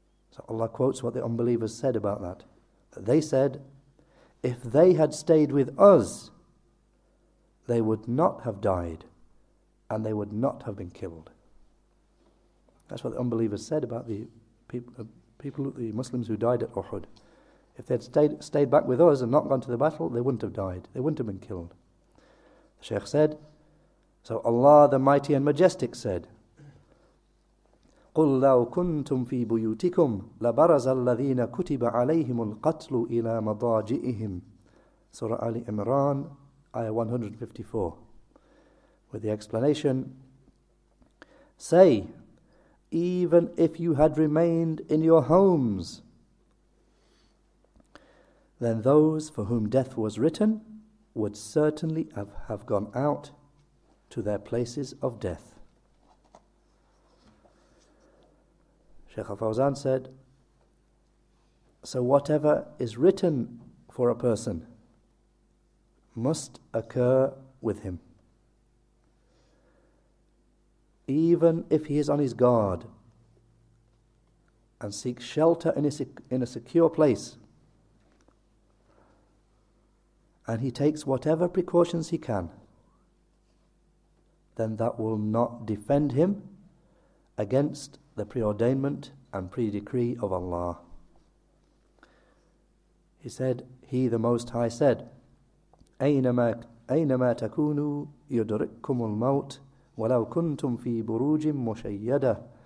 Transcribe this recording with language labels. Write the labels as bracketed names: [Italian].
[English] So Allah quotes what the unbelievers said about that. They said, if they had stayed with us, they would not have died, and they would not have been killed. That's what the unbelievers said about the people, the Muslims who died at Uhud. If they had stayed back with us and not gone to the battle, they wouldn't have died. They wouldn't have been killed. [Arabic] The Shaykh said, so Allah the Mighty and Majestic said, قُلْ لَوْ كُنْتُمْ فِي بُيُوتِكُمْ لَبَرَزَ الَّذِينَ كُتِبَ عَلَيْهِمُ الْقَتْلُ إِلَى مَضَاجِئِهِمْ. [English] Surah Ali Imran, ayah 154. With the explanation, say, even if you had remained in your homes, then those for whom death was written would certainly have gone out to their places of death. Sheikh Al-Fawzan said, so whatever is written for a person must occur with him. Even if he is on his guard and seeks shelter in a secure place, and he takes whatever precautions he can, then that will not defend him against the preordainment and pre-decree of Allah. [Arabic] He said, He the Most High said, أَيْنَمَا تَكُونُوا يُدْرِكُمُ الْمَوْتِ وَلَوْ كُنْتُمْ فِي بُرُوجٍ مُشَيَّدَةٍ.